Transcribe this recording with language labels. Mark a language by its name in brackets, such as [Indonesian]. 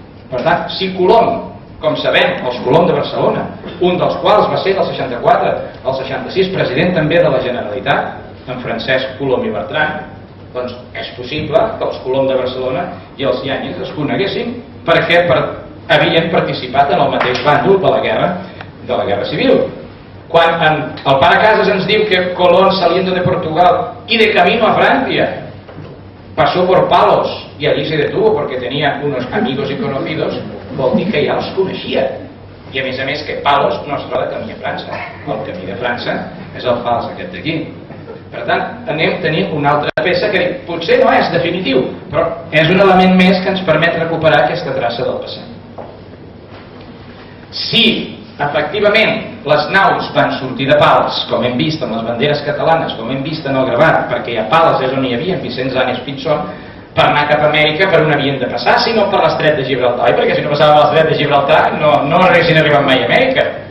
[Catalan] Per tant, si Colom, com sabem, els Colom de Barcelona, un dels quals va ser del 64, el 66, president també de la Generalitat, en Francesc Colom i Bertran, doncs és possible que els Colom de Barcelona i els Yáñez es coneguessin perquè havien participat en el mateix bàndol de la guerra civil. Quan el pare Casas ens diu que [Spanish] Colón saliendo de Portugal y de camino a Francia pasó por Palos y allí se detuvo porque tenía unos amigos y conocidos, [Catalan] vol dir que ja els coneixia. I a més que Palos no es troba camí a França. El camí de França és el fals aquest d'aquí. Per tant, anem a tenir una altra peça que potser no és definitiu, però és un element més que ens permet recuperar aquesta traça del passat. Si efectivament les naus van sortir de Pals, com hem vist amb les banderes catalanes, com hem vist en el gravat, perquè a Pals és on hi havia Vicenç Anes Pinzón, per anar cap a Amèrica, per on havien de passar, sinó per l'estret de Gibraltar. I perquè si no passava per l'estret de Gibraltar no haguessin arribat mai a Amèrica.